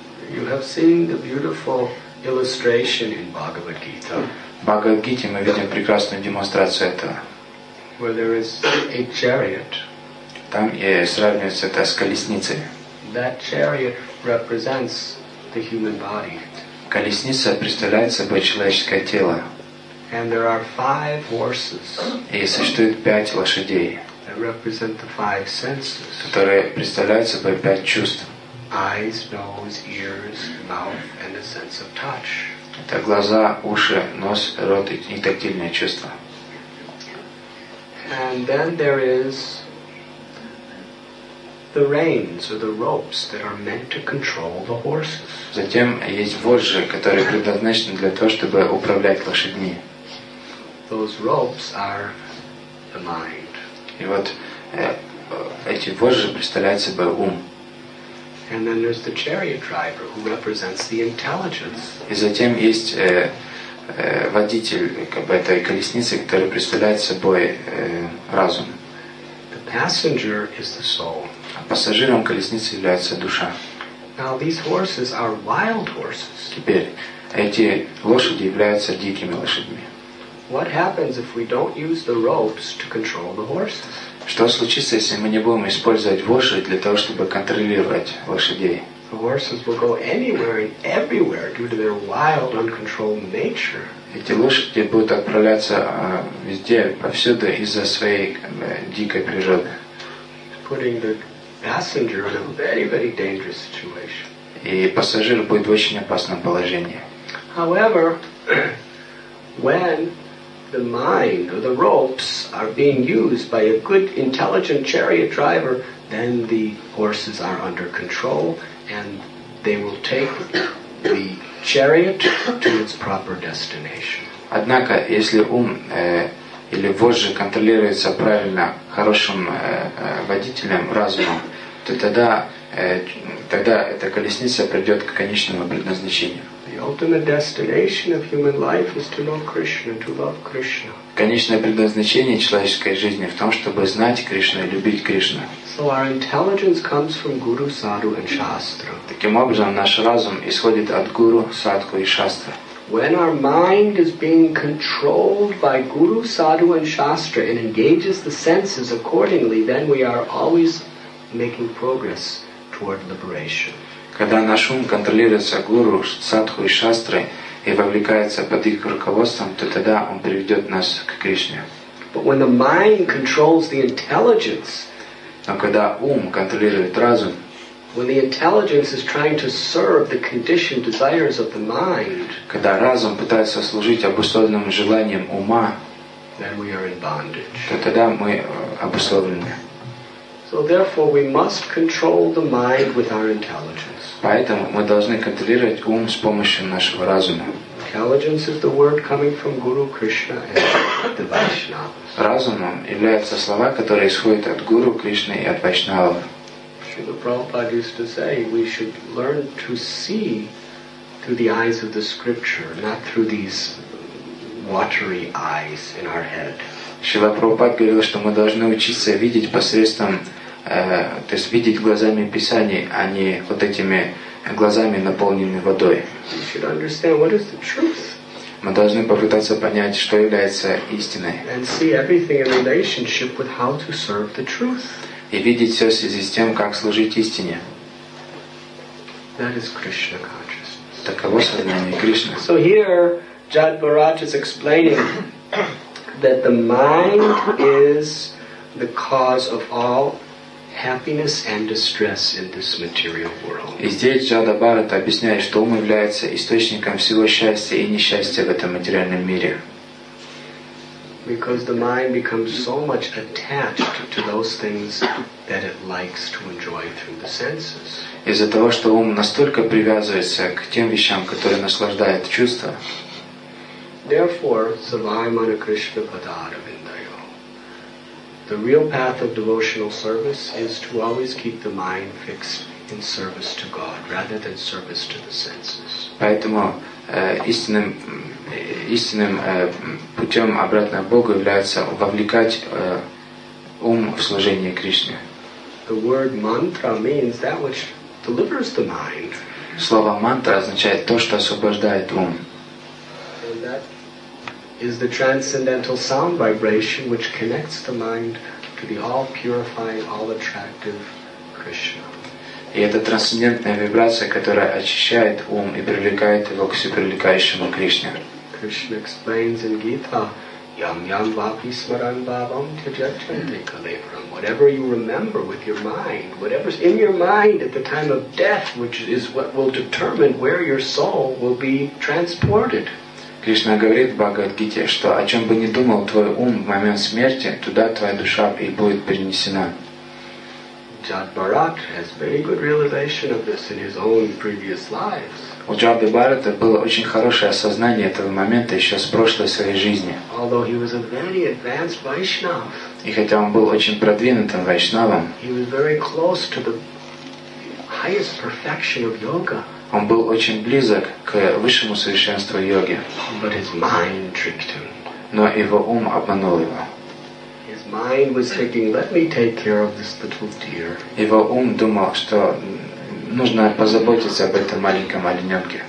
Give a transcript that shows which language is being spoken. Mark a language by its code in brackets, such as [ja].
[en] You have seen the beautiful illustration in Bhagavad Gita. [ru] В Бхагавад-гите мы видим прекрасную демонстрацию этого. [en] Where there is a chariot. [ru] Там сравнивается это с колесницей. [en] That chariot represents the human body. [ru] Колесница представляет собой человеческое тело. [en] And there are five horses. [ru] И существует пять лошадей. [en] That represent the five senses. [ru] Которые представляют собой пять чувств. [en] Eyes, nose, ears, mouth, and a sense of touch. [ru] Это глаза, уши, нос, рот и тактильные чувства. [en] And then there is the reins or the ropes that are meant to control the horses. [ru] Затем есть вожжи, которые предназначены для того, чтобы управлять лошадьми. [en] Those ropes are the mind. [ru] И вот эти вожжи представляют собой ум. [en] And then there's the chariot driver who represents the intelligence. [ru] И затем есть водитель как бы этой колесницы, который представляет собой разум. [en] The passenger is the soul. [ru] Пассажиром колесницы является душа. [en] Now, these horses are wild horses. [ru] Теперь эти лошади являются дикими лошадьми. [en] What happens if we don't use the ropes to control the horses? [ru] Что случится, если мы не будем использовать вожжи для того, чтобы контролировать лошадей? [en] The horses will go anywhere and everywhere due to their wild, uncontrolled nature. [ru] Эти лошади будут отправляться везде, повсюду из-за своей дикой природы. [en] Putting the passenger in a very, very dangerous situation. [ru] И пассажир будет в очень опасном положении. [en] However, when the mind or the ropes are being used by a good, intelligent chariot driver, then the horses are under control and they will take the chariot to its proper destination. [ru] Однако, если ум или вожжи контролируется правильно хорошим водителем, разумом, то тогда эта колесница придет к конечному предназначению. [en] The ultimate destination of human life is to know Krishna, to love Krishna. [ru] Конечное предназначение человеческой жизни в том, чтобы знать Кришну и любить Кришну. [en] So our intelligence comes from Guru, Sadhu, and Shastra. [ru] Таким образом, наш разум исходит от Гуру, Садху и Шастры. [en] When our mind is being controlled by Guru, Sadhu, and Shastra and engages the senses accordingly, then we are always making progress toward liberation. [ru] Когда наш ум контролируется Гуру, Садху и Шастрой и вовлекается под их руководством, то тогда он приведет нас к Кришне. [en] But when the mind controls the intelligence, [ru] но когда ум контролирует разум, [en] when the intelligence is trying to serve the conditioned desires of the mind, [ru] когда разум пытается служить обусловленным желаниям ума, [en] then we are in bondage. [ru] То тогда мы обусловлены. [en] So therefore, we must control the mind with our intelligence. [ru] Поэтому мы должны контролировать ум с помощью нашего разума. [en] Intelligence is the word coming from Guru Krishna and the Vaishnavas. [ru] Разумом являются слова, которые исходят от Гуру Кришны и от Вайшнава. [en] Srila Prabhupada used to say, we should learn to see through the eyes of the scripture, not through these watery eyes in our head. [ru] Шрила Прабхупада говорил, что мы должны учиться видеть посредством, то есть видеть глазами Писаний, а не вот этими глазами, наполненными водой. [en] You should understand what is the truth. [ru] Мы должны попытаться понять, что является истиной. [en] And see everything in relationship with how to serve the truth. [ru] И видеть все в связи с тем, как служить истине. [en] That is Krishna consciousness. [ru] Таково сознание Кришны. [en] So here, Jad Bharat is explaining that the mind is the cause of all happiness and distress in this material world. [ru] И здесь Джада Бхарата объясняет, что ум является источником всего счастья и несчастья в этом материальном мире. [en] Because the mind becomes so much attached to those things that it likes to enjoy through the senses. [ru] Из-за того, что ум настолько привязывается к тем вещам, которые наслаждает чувства. [en] Therefore, [sa] Savaimana Krishna Padaravindayo. [en] The real path of devotional service is to always keep the mind fixed in service to God rather than service to the senses. [ru] Поэтому истинным путем обратно к Богу является вовлекать ум в служение Кришне. [en] The word mantra means that which delivers the mind. [ru] Слово мантра означает то, что освобождает ум. [en] Is the transcendental sound vibration which connects the mind to the all-purifying, all-attractive Krishna. [ru] И это трансцендентная вибрация, которая очищает ум и привлекает его к всепривлекающему Кришне. [en] Krishna explains in Gita, [sa] yam yam vapi smaran bhavam tyajyate kalevaram. [en] Whatever you remember with your mind, whatever's in your mind at the time of death, which is what will determine where your soul will be transported. [ru] Кришна говорит в Бхагавад-гите, что о чем бы ни думал твой ум в момент смерти, туда твоя душа и будет перенесена. [en] Jatbarat has very good realization of this in his own previous lives. [ru] У Джадхи Бхарата было очень хорошее осознание этого момента еще с прошлой своей жизни. [en] Although he was a very advanced Vaishnav, [ru] и хотя он был очень продвинутым вайшнавом, [en] he was very close to the highest perfection of yoga. [ru] Он был очень близок к высшему совершенству йоги. [en] But his mind tricked him. [ru] Но его ум обманул его. [en] His mind was thinking, "Let me take care of this little deer." [ru] Его ум думал, что нужно позаботиться об этом маленьком оленёнке.